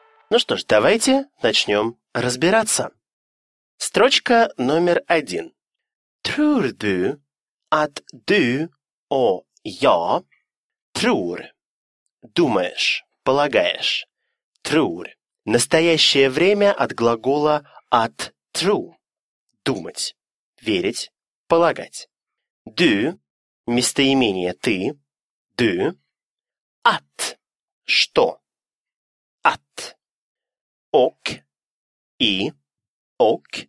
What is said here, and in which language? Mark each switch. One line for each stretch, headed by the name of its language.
Russian: Ну что ж, давайте начнем разбираться. Строчка номер один.
Swedish: Tror du att du och jag tror?
Russian: Думаешь, полагаешь. Tror. Настоящее время от глагола at tro. Думать, верить, полагать. Du, местоимение ты. Du. At. Что? At. Ок. И. Ок.